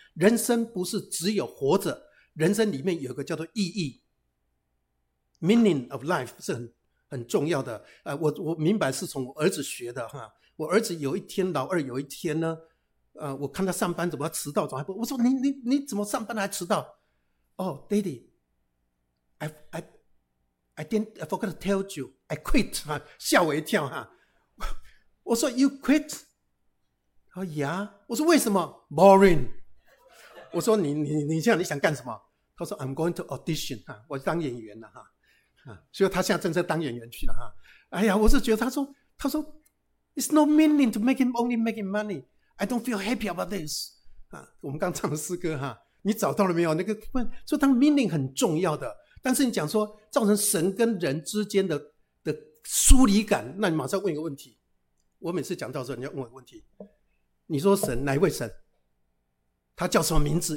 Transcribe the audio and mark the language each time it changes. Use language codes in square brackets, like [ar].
[zh] 人生不是只有活着，人生里面有个叫做意义 ， [en] meaning of life [zh] 是很重要的。我明白是从我儿子学的。我儿子有一天，老二有一天呢，我看他上班怎么迟到，怎么还不？我说你怎么上班还迟到？ [en] 哦 ，Daddy， I didn't I forgot to tell you I quit 。 [zh] 吓我一跳。我说 [en] You quit？ [zh] 他说 Yeah。我说为什么 ？ [en] Boring。 [zh] 我说你现在你想干什么？ [en] 他说 I'm going to audition 。 [zh] 我当演员了。所以他现在正在当演员去了。哎呀，我是觉得他说 [en] It's no meaning to make him only making money. I don't feel happy about this. [zh] 我们刚唱的诗歌。你找到了没有？那个问说当 meaning 很重要的。但是你讲说造成神跟人之间的疏离感，那你马上问一个问题。我每次讲到的时候你要问我一个问题。你说神哪一位神？他叫什么名字？